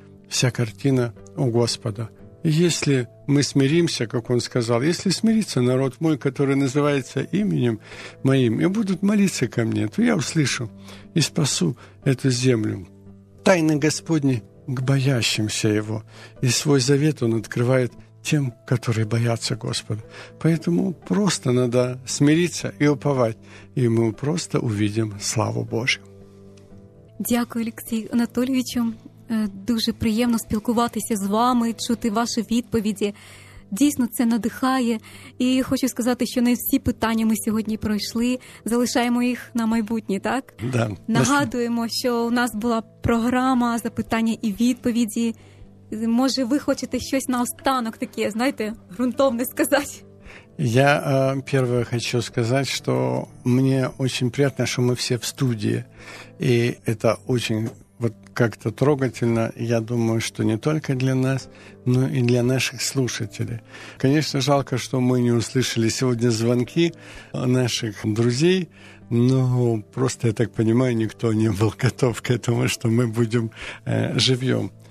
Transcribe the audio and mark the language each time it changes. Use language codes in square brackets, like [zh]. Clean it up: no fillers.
[ru] Вся картина у Господа. Если мы смиримся, как он сказал, если смирится народ мой, который называется именем моим, и будут молиться ко мне, то я услышу и спасу эту землю. Тайны Господни к боящимся его. И свой завет он открывает тем, которые боятся Господа. Поэтому просто надо смириться и уповать. И мы просто увидим славу Божию. [uk] Дякую, Олексію Анатолійовичу. Дуже приємно спілкуватися з вами, чути ваші відповіді. Дійсно, це надихає. І хочу сказати, що не всі питання ми сьогодні пройшли. Залишаємо їх на майбутнє, так? [ru] Да. [uk] Нагадуємо, що у нас була програма «Запитання і відповіді». Може, ви хочете щось наостанок таке, знаєте, ґрунтовне сказати? [ru] Я первое хочу сказать, что мне очень приятно, что мы все в студии, и это очень вот как-то трогательно. Я думаю, что не только для нас, но и для наших слушателей. Конечно, жалко, что мы не услышали сегодня звонки наших друзей, но просто, я так понимаю, никто не был готов к этому, что мы будем живьем.